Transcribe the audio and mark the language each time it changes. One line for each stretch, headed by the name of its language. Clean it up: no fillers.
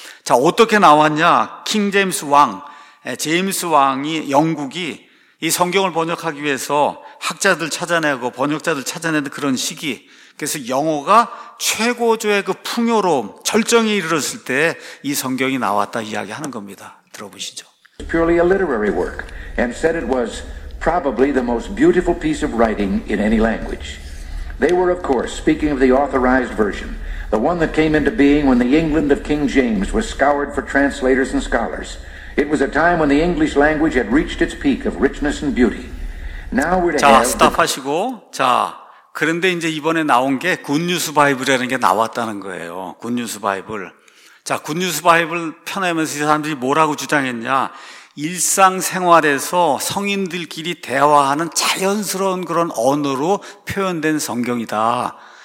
Korean: 자, 어떻게 나왔냐? 킹잼스 왕. 제임스 왕이 영국이 이 성경을 번역하기 위해서 학자들 찾아내고 번역자들 찾아내는 그런 시기 그래서 영어가 최고조의 그 풍요로움 절정에 이르렀을 때 이 성경이 나왔다 이야기하는 겁니다. 들어보시죠.
English: Purely a literary work and said it was probably the most beautiful piece of writing in any language. They were of course speaking of the authorized version, the one that came into being when the England of King James was scoured for translators and scholars. It was a time when the English language had reached its peak of richness and beauty. Now we're to have.
Korean: 자, 스탑하시고. 자, 그런데 이제 이번에 나온 게 굿뉴스 바이블이라는 게 나왔다는 거예요. 굿뉴스 바이블. 자, 굿뉴스 바이블 펴내면서 이 사람들이 뭐라고 주장했냐? 일상생활에서 성인들끼리 대화하는 자연스러운 그런 언어로 표현된 성경이다.